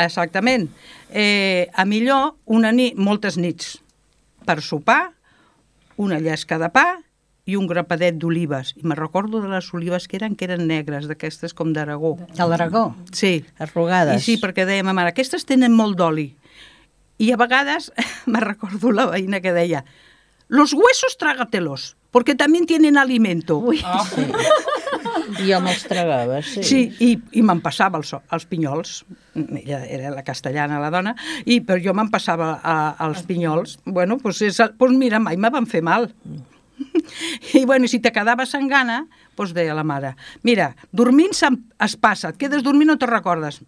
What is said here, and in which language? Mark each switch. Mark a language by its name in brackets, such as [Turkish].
[Catalan] Exactament. A millor, una nit, moltes nits, per sopar, una llesca de pa i un grapadet d'olives. I me recordo de les olives que eren negres, d'aquestes com d'Aragó. De l'Aragó? Sí. Arrugades. I sí, perquè deia ma mare, aquestes tenen molt d'oli. I a vegades me recordo la veïna que deia, [Spanish] los huesos trágatelos, porque también tienen alimento. [Catalan] Ui. Oh. Sí. Jo me'ls tragava, sí. Sí, i me'n passava els pinyols. Ella era la castellana, la dona, i però jo me'n passava els pinyols. Bueno, pues mira, mai me van fer mal. I bueno, si te quedaves amb gana, doncs deia la mare, mira, dormint es passa, et quedes dormint i no te'n recordes.